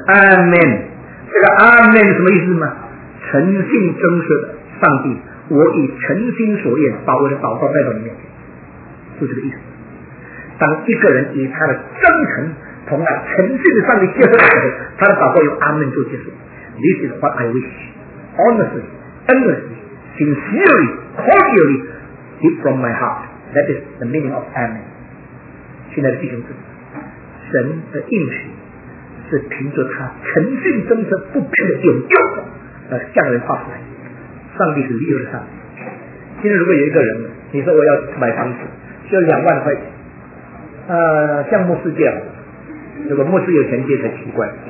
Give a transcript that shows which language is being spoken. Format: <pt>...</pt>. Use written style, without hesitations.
<zh>阿门，这个阿门什么意思吗？诚信真实的上帝，我以诚心所愿把我的祷告带到你面前，就这个意思。当一个人以他的真诚同他诚信的上帝接受的时候，他的祷告用阿门就接受。</zh> <en>This is what I wish honestly, endlessly, sincerely, cordially, deep from my heart. That is the meaning of Amen.</en> <zh>现在的弟兄姊妹，神的应许是凭着他诚信真诚不变的永约而向人发出来。上帝是立约的上帝。今天如果有一个人，你说我要买房子，需要2万块钱，像牧师这样，如果牧师有钱借才奇怪。</zh>